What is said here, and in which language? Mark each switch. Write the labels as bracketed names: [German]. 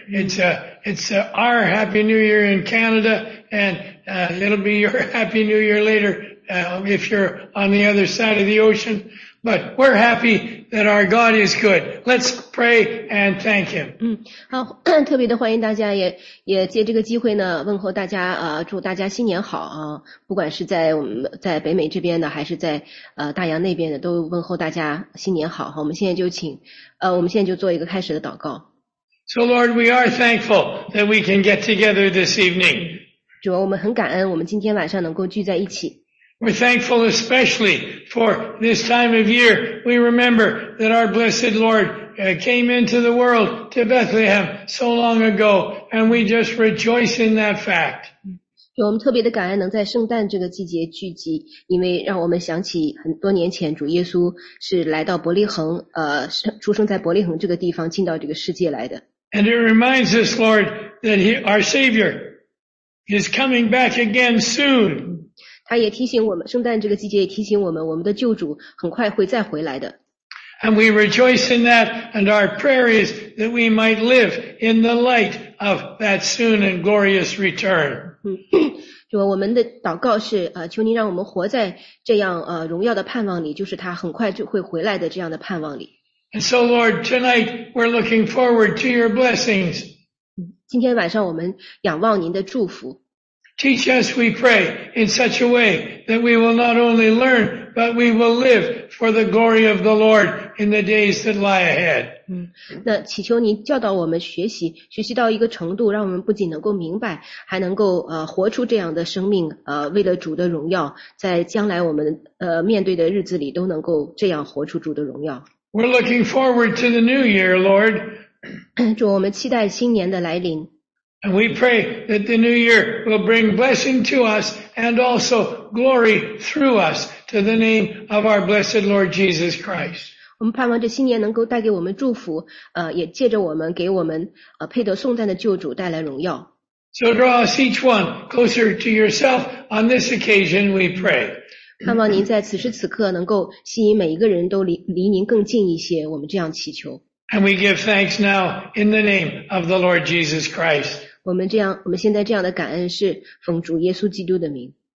[English] It's our happy new year in Canada, and it'll be your happy new year later if you're on the other side of the ocean. But we're happy that our God is good. Let's pray and thank him. [Chinese] 好，特别的欢迎大家也借这个机会呢问候大家祝大家新年好啊，不管是在我们在北美这边的还是在大洋那边的，都问候大家新年好。我们现在就请我们现在就做一个开始的祷告。 [English] So Lord, we are thankful that we can get together this evening. [Chinese] 主啊，我们很感恩我们今天晚上能够聚在一起。 [English] We're thankful especially for this time of year. We remember that our blessed Lord came into the world to Bethlehem so long ago, and we just rejoice in that fact. [Chinese] 主，我们特别的感恩能在圣诞这个季节聚集，因为让我们想起很多年前主耶稣是来到伯利恒，出生在伯利恒这个地方，进到这个世界来的。 [English] And it reminds us, Lord, that our Savior is coming back again soon. [Chinese] 他也提醒我们，圣诞这个季节也提醒我们，我们的救主很快会再回来的。 [English] And we rejoice in that, and our prayer is that we might live in the light of that soon and glorious return. [Chinese] 主，我们的祷告是，求您让我们活在这样，荣耀的盼望里，就是他很快就会回来的这样的盼望里。 [English] And so Lord, tonight we're looking forward to your blessings. [Chinese] 今天晚上我们仰望您的祝福。 [English] Teach us, we pray, in such a way that we will not only learn, but we will live for the glory of the Lord in the days that lie ahead. [Chinese] 那祈求您教导我们学习，学习到一个程度，让我们不仅能够明白，还能够活出这样的生命，为了主的荣耀，在将来我们面对的日子里都能够这样活出主的荣耀。 [English] We're looking forward to the new year, Lord. [Chinese] 主，我们期待新年的来临。 [English] And we pray that the new year will bring blessing to us and also glory through us to the name of our blessed Lord Jesus Christ. [Chinese] 我们盼望这新年能够带给我们祝福，也借着我们给我们配得颂赞的救主带来荣耀。 [English] So draw us each one closer to yourself on this occasion, we pray. [Chinese] 盼望您在此时此刻能够吸引每一个人都离您更近一些，我们这样祈求。 [English] And we give thanks now in the name of the Lord Jesus Christ. [Chinese] 我们现在这样的感恩是奉主耶稣基督的名。